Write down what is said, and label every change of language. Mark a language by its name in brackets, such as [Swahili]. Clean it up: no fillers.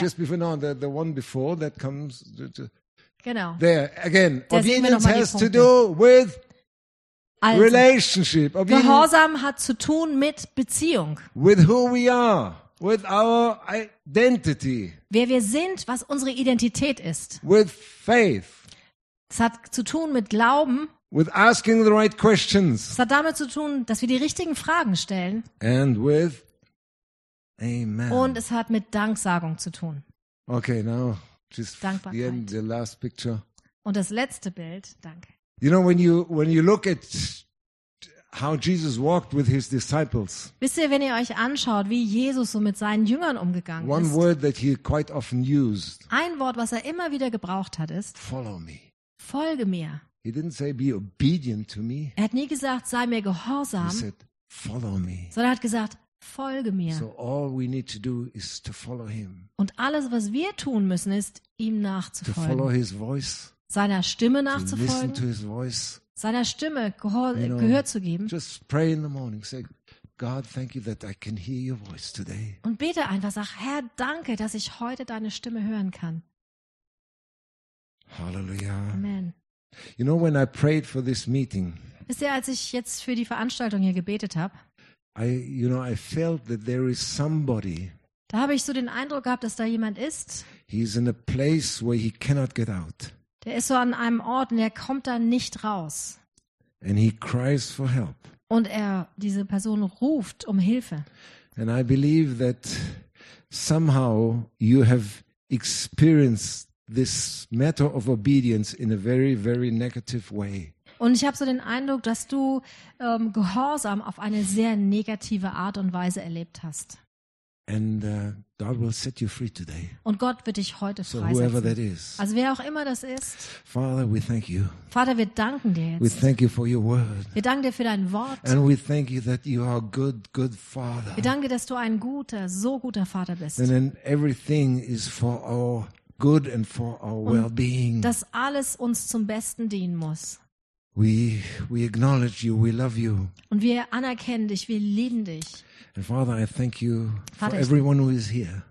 [English] Just before, no, the one before that comes. [German] Genau. [English] There, again. [German] Der [English] obedience has to do with [German] also, [English] relationship. [German] Gehorsam hat zu tun mit Beziehung. [English] With who we are. With our identity. [German] Wer wir sind, was unsere Identität ist. [English] With faith. [German] Es hat zu tun mit Glauben. [English] With asking the right questions. [German] Es hat damit zu tun, dass wir die richtigen Fragen stellen. [English] And with Amen. [German] Und es hat mit Danksagung zu tun. [English] Okay, now just [German] Dankbarkeit. [English] The end, the last picture. [German] Und das letzte Bild, danke. [English] You know, when you look at how Jesus walked with his disciples. [German] Wisst ihr, wenn ihr euch anschaut, wie Jesus so mit seinen Jüngern umgegangen ist? [English] One word that he quite often used. [German] Ein Wort, was er immer wieder gebraucht hat, ist [English] follow me. [German] Folge mir. [English] He didn't say be obedient to me. [German] Er hat nie gesagt, sei mir gehorsam. [English] He said follow me. [German] Sondern er hat gesagt, folge mir. [English] So all we need to do is to follow him. [German] Und alles, was wir tun müssen, ist ihm nachzufolgen. [English] To follow his voice. [German] Seiner Stimme nachzufolgen. [English] To listen to his voice. [German] Seiner Stimme Gehör zu geben. [English] Just pray in the morning. Say, God, thank you that I can hear your voice today. [German] Und bete einfach, sag, Herr, danke, dass ich heute deine Stimme hören kann. Hallelujah. Amen. [English] You know, when I prayed for this meeting. [German] Wisst ihr, als ich jetzt für die Veranstaltung hier gebetet habe. [English] I felt that there is somebody. [German] Da habe ich so den Eindruck gehabt, dass da jemand ist. [English] He is in a place where he cannot get out. [German] Der ist so an einem Ort und er kommt da nicht raus. [English] And he cries for help. [German] Und er, diese Person ruft um Hilfe. [English] And I believe that somehow you have experienced this matter of obedience in a very, very negative way. [German] Und ich habe so den Eindruck, dass du Gehorsam auf eine sehr negative Art und Weise erlebt hast. [English] And God will set you free today. [German] Und Gott wird dich heute freisetzen. [English] So whoever that is. [German] Also wer auch immer das ist. [English] Father, we thank you. [German] Vater, wir danken dir jetzt. [English] We thank you for your word. [German] Wir danken dir für dein Wort. [English] And we thank you that you are a good, good father. [German] Wir danken dir, dass du ein guter, so guter Vater bist. [English] And then everything is for our good and for our well-being. [German] Dass alles uns zum Besten dienen muss. [English] We acknowledge you, we love you. [German] Und wir anerkennen dich, wir lieben dich. [English] And Father, I thank you for everyone who is here.